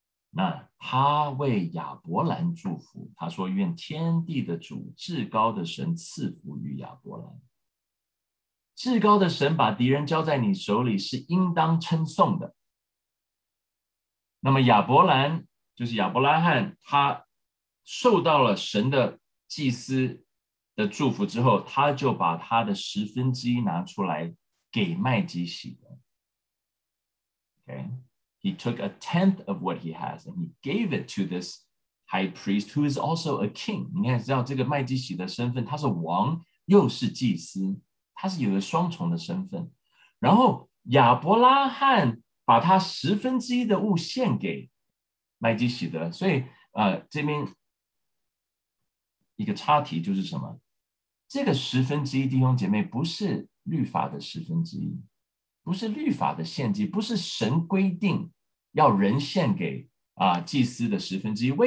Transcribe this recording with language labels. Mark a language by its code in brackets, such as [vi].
[zh] 那他为亚伯兰祝福，他说愿天地的主至高的神赐福于亚伯兰，至高的神把敌人交在你手里是应当称颂的。那么亚伯兰就是亚伯拉罕，他受到了神的祭司的祝福之后，他就把他的十分之一拿出来给麦基洗德。 [en] He took a tenth of what he has and he gave it to this high priest who is also a king。 [zh] 你看知道这个麦基洗德的身份，他是王又是祭司，他是有个双重的身份。然后亚伯拉罕把他十分之一的物献给麦基洗德，所以这边一个插题就是什么，这个十分之一弟兄姐妹不是律法的十分之一，不是律法的献祭，不是神规定要人献给祭司的十分之一。